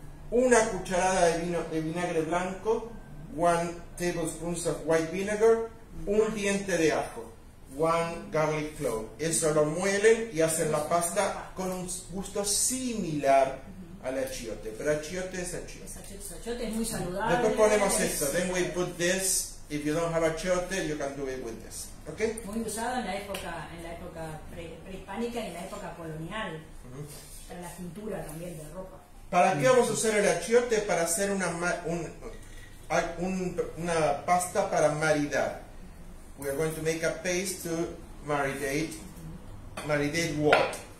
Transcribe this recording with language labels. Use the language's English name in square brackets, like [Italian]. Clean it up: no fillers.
[Spanish] 1 cucharada de vinagre blanco. [English] 1 tablespoon of white vinegar. [Spanish] 1 diente de ajo. [English] 1 garlic clove. [Spanish] Eso lo muelen y hacen la pasta con un gusto similar al achiote. Pero achiote es achiote. Achiote es muy saludable. Después ponemos esto. [English] Then we put this. If you don't have achiote, you can do it with this. Okay. [Spanish] Muy usado en la época prehispánica y en la época colonial. Uh-huh. Para la cintura también de ropa. ¿Para qué vamos a usar el achiote? Para hacer una pasta para maridar. [English] We are going to make a paste to maridate. Uh-huh. Maridate what?